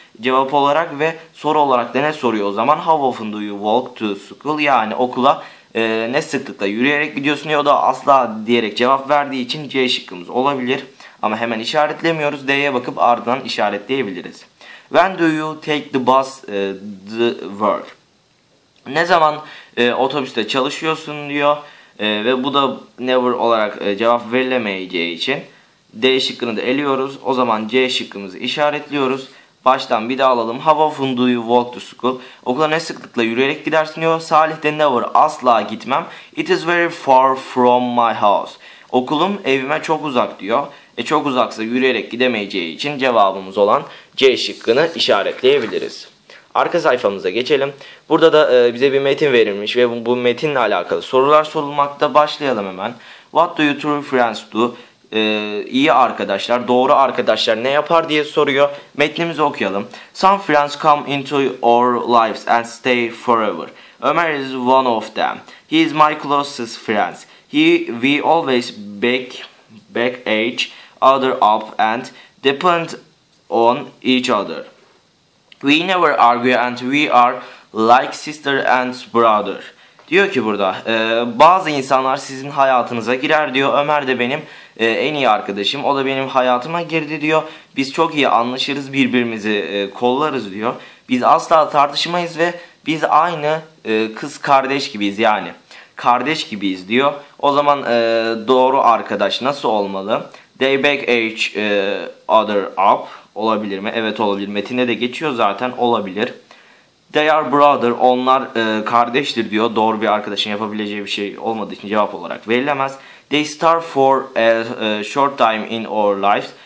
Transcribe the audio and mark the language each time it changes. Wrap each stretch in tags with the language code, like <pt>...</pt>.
<tr>Cevap olarak ve soru olarak da ne soruyor o zaman?</tr> <en>How often do you walk to school?</en> <tr>Yani okula ne sıklıkla yürüyerek gidiyorsun diyor. O da asla diyerek cevap verdiği için C şıkkımız olabilir. Ama hemen işaretlemiyoruz. D'ye bakıp ardından işaretleyebiliriz.</tr> <en>When do you take the bus to work?</en> <tr>Ne zaman otobüste çalışıyorsun diyor. Ve bu da never olarak cevap verilemeyeceği için D şıkkını da eliyoruz. O zaman C şıkkımızı işaretliyoruz. Baştan bir daha alalım.</tr> <en>How often do you walk to school?</en> <tr>Okula ne sıklıkla yürüyerek gidersin diyor.</tr> <en>Salih de never,</en> <tr>asla gitmem.</tr> <en>It is very far from my house.</en> <tr>Okulum evime çok uzak diyor. Çok uzaksa yürüyerek gidemeyeceği için cevabımız olan C şıkkını işaretleyebiliriz. Arka sayfamıza geçelim. Burada da bize bir metin verilmiş ve bu metinle alakalı sorular sorulmakta. Başlayalım hemen.</tr> <en>What do you true friends do?</en> <tr>İyi arkadaşlar, doğru arkadaşlar ne yapar diye soruyor. Metnimizi okuyalım.</tr> <en>Some friends come into our lives and stay forever. Ömer is one of them. He is my closest friend. We always back each other up and depend on each other. We never argue and we are like sister and brother.</en> <tr>Diyor ki burada, bazı insanlar sizin hayatınıza girer diyor. Ömer de benim en iyi arkadaşım. O da benim hayatıma girdi diyor. Biz çok iyi anlaşırız, birbirimizi kollarız diyor. Biz asla tartışmayız ve biz aynı kız kardeş gibiyiz yani. Kardeş gibiyiz diyor. O zaman doğru arkadaş nasıl olmalı?</tr> <en>They back each other up.</en> <tr>Olabilir mi? Evet, olabilir. Metinde de geçiyor zaten. Olabilir.</tr> <en>They are brother.</en> <tr>Onlar kardeştir diyor. Doğru bir arkadaşın yapabileceği bir şey olmadığı için cevap olarak verilemez.</tr> <en>They start for a short time in our lives.</en>